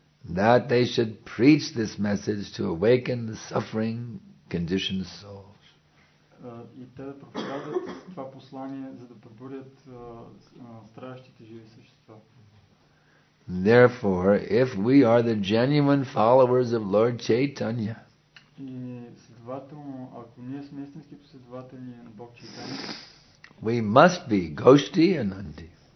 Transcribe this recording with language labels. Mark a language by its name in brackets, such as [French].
[English] That they should preach this message to awaken the suffering conditioned soul. [Bulgarian] И те да проповядат това послание, за да пробудят страдащите живи същества. [English] Therefore, if we are the genuine followers of Lord Chaitanya, [Bulgarian] и следователно, ако ние сме истински последователи на Бог Чайтанья, [English] we must be Гошти Ананди.